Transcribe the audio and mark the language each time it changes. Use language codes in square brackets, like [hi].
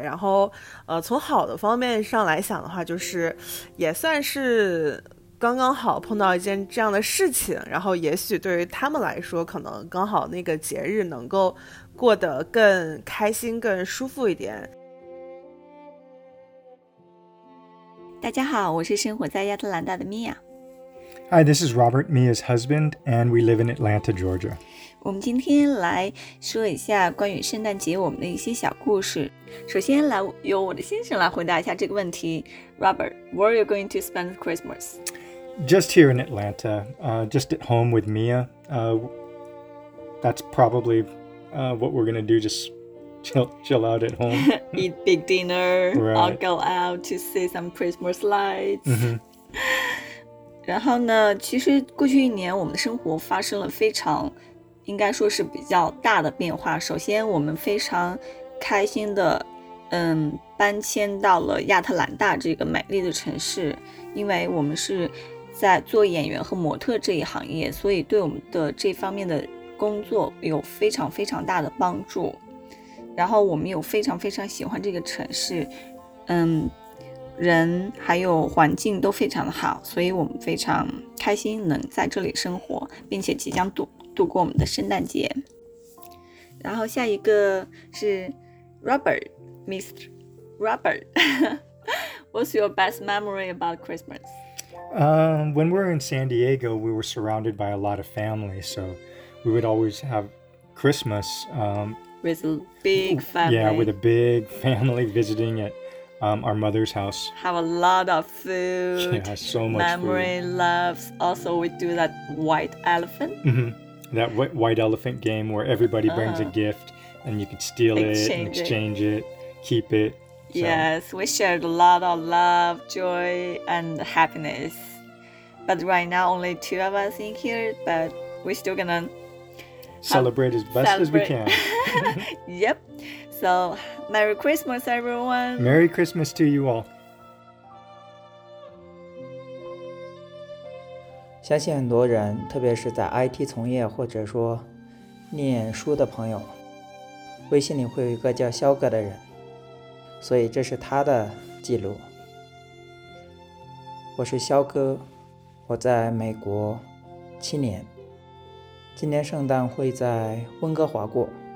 [zh] 然后从好的方面上来想的话，就是也算是刚刚好碰到一件这样的事情，然后也许对于他们来说可能刚好那个节日能够过得更开心、更舒服一点。大家好，我是生活在亚特兰大的 Mia。 [en] Hi, this is Robert, Mia's husband, and we live in Atlanta, Georgia. [zh] 我们今天来说一下关于圣诞节我们的一些小故事。首先来由我的先生来回答一下这个问题。 [en] Robert, where are you going to spend Christmas? Just here in Atlanta, just at home with Mia. That's probably what we're going to do, just chill out at home. Eat big dinner, right. I'll go out to see some Christmas lights. Mm-hmm. [zh] 然后呢，其实过去一年我们的生活发生了非常应该说是比较大的变化。首先我们非常开心的搬迁到了亚特兰大这个美丽的城市，因为我们是在做演员和模特这一行业，所以对我们的这方面的工作有非常非常大的帮助。然后我们有非常非常喜欢这个城市，人还有环境都非常的好，所以我们非常开心能在这里生活，并且即将度过我们的圣诞节。然后下一个是 [en] Robert, what's your best memory about Christmas? When we were in San Diego, we were surrounded by a lot of family, so we would always have Christmas. With a big family. Yeah, with a big family visiting it. Our mother's house. Have a lot of food. Yeah, so much memory food. Memory loves. Also, we do that white elephant. Mm-hmm. That white elephant game where everybody brings a gift and you can steal exchange it, keep it. So. Yes, we shared a lot of love, joy, and happiness. But right now, only two of us in here, but we're still gonna celebrate as best as we can. Yep. So, Merry Christmas, everyone! Merry Christmas to you all! [zh] 相信很多人，特别是在 IT 从业或者说念书的朋友，微信里会有一个叫肖哥的人，所以这是他的记录。我是肖哥，我在美国七年，今年圣诞会在温哥华过。